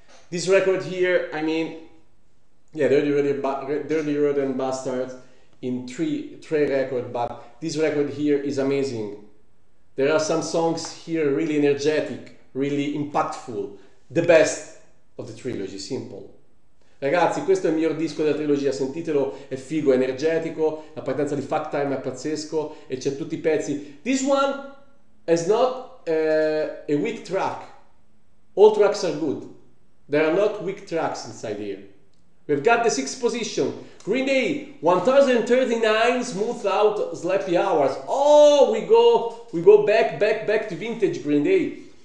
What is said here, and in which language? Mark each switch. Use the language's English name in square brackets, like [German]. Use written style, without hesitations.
[English] This record here, I mean, yeah, Dirty Rotten Bastards in three records, but this record here is amazing. There are some songs here really energetic, really impactful. The best of the trilogy, simple. [Italian] Ragazzi, questo è il miglior disco della trilogia, sentitelo, è figo, è energetico, la partenza di Fuck Time è pazzesco, e c'è tutti i pezzi. [English] This one is not a weak track. All tracks are good. There are not weak tracks inside here. We've got the sixth position. Green Day, 1039 Smooth Out Sleepy Hours. Oh, we go back to vintage Green Day.